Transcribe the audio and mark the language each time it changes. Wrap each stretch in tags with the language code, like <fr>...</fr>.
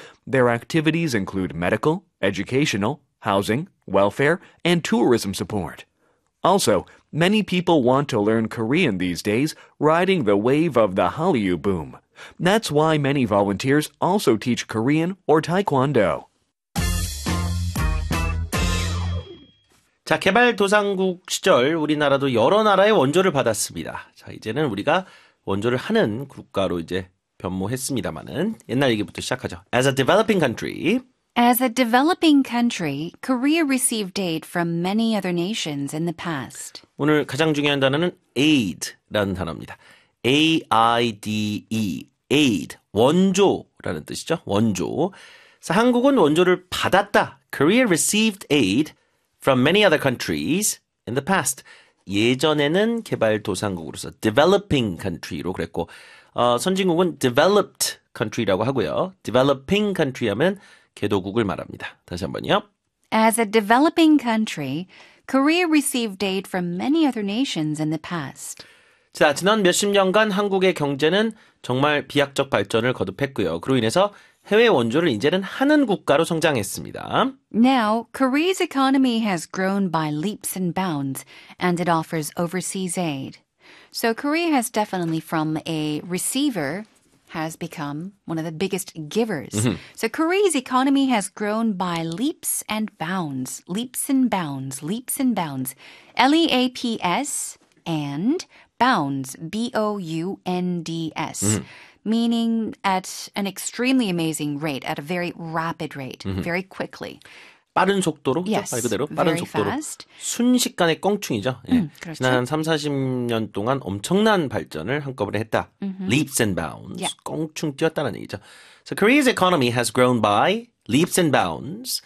<en>Their activities include medical, educational, housing, welfare, and tourism support. Also, many people want to learn Korean these days, riding the wave of the Hallyu boom. That's why many volunteers also teach Korean or Taekwondo.</en> <ko>자, 개발도상국 시절 우리나라도 여러 나라의 원조를 받았습니다. 자, 이제는 우리가 원조를 하는 국가로 이제 변모했습니다만은 옛날 얘기부터 시작하죠.</ko> <en>As a developing country. As a developing country, Korea received aid from many other nations in the past.</en> <ko>오늘 가장 중요한 단어는 aid라는 단어입니다. A-I-D-E, aid, 원조라는 뜻이죠. 원조. 자, 한국은 원조를 받았다.</ko> <en>Korea received aid. From many other countries in the past.</en> <ko>예전에는 개발도상국으로서 developing country로 그랬고 선진국은 developed country라고 하고요. developing country 하면 개도국을 말합니다. 다시 한번요.</ko> <en>As a developing country, Korea received aid from many other nations in the past.</en> <ko>자, 지난 몇십 년간 한국의 경제는 정말 비약적 발전을 거듭했고요. 그로 인해서 해외 원조를 이제는 하는 국가로 성장했습니다.</ko> <en>Now, Korea's economy has grown by leaps and bounds, and it offers overseas aid. So Korea has definitely, from a receiver, has become one of the biggest givers. So Korea's economy has grown by leaps and bounds, leaps and bounds, leaps and bounds, L-E-A-P-S and bounds, B-O-U-N-D-S. Meaning at an extremely amazing rate, at a very rapid rate, very quickly.</en> <ko>빠른 속도로, 말 그대로 빠른 속도로.</ko> <en>Fast.</en> <ko>순식간에 껑충이죠. 그렇죠. 지난 30~40년 동안 엄청난 발전을 한꺼번에 했다.</ko> <en>Leaps and bounds. Yeah.</en> <ko>껑충 뛰었다는 얘기죠.</ko> <en>So Korea's economy has grown by leaps and bounds.</en>